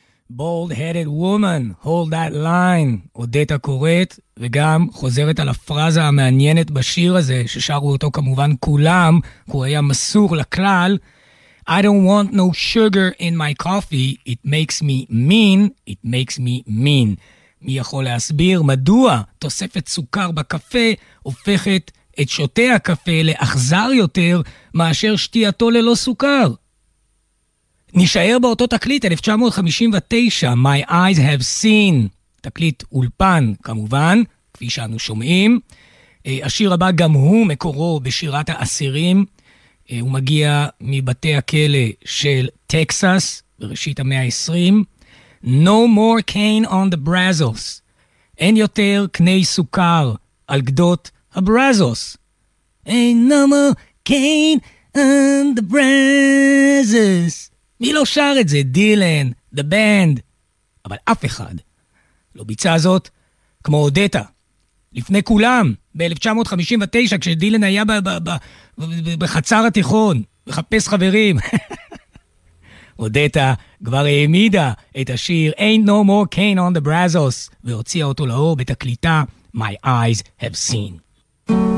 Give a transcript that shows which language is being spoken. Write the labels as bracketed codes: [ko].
[en] bald-headed woman, hold that line. [he] עודתה קוראת, וגם חוזרת על הפרזה המעניינת בשיר הזה, ששרו אותו כמובן כולם, הוא היה מסור לכלל. [en] I don't want no sugar in my coffee, it makes me mean, it makes me mean. [he] מי יכול להסביר מדוע תוספת סוכר בקפה הופכת את שותי הקפה לאכזר יותר מאשר שתייתו ללא סוכר? נשאר באותו תקליט, 1959, My Eyes Have Seen, תקליט אולפן כמובן, כפי שאנו שומעים. השיר הבא גם הוא מקורו בשירת האסירים, הוא מגיע מבתי הכלא של טקסס בראשית המאה ה-20. [en] No more cane on the Brazos. [he] אין יותר קני סוכר על גדות הברזוס. אין [en] no more cane on the Brazos. [he] מי לא שר את זה? דילן, the band. אבל אף אחד לא ביצע זאת כמו עודתה. לפני כולם, ב-1959, כשדילן היה בחצר התיכון, מחפש חברים. עודתה כבר העמידה את השיר Ain't No More Cane on the Brazos, והוציאה אותו לאור בתקליטה My Eyes Have Seen.